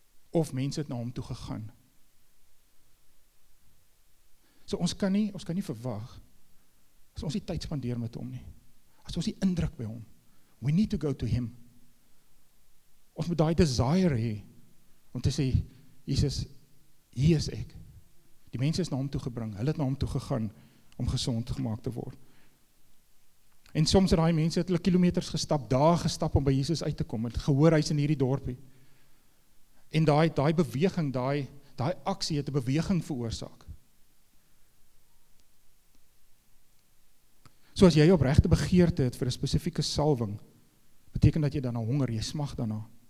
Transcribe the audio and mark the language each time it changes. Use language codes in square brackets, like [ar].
[af] Of mense het na hom toe gegaan. So ons kan nie verwag as ons die tyd spandeer met hom nie. As ons die indruk by hom. [en] We need to go to him. [af] Ons moet daai desire hê om te sê Jesus, hier is ek. Die mense is na hom toe gebring. Hulle het na hom toe gegaan om gesond gemaak te word. En soms het daai mense het hulle kilometers gestap, dae gestap om by Jesus uit te kom. Het gehoor hy's in hierdie dorpie. En daai beweging, daai aksie het 'n beweging veroorsaak. So as jy opregte begeerte het vir 'n spesifieke salwing, beteken dat jy dan honger, jy smag daarna.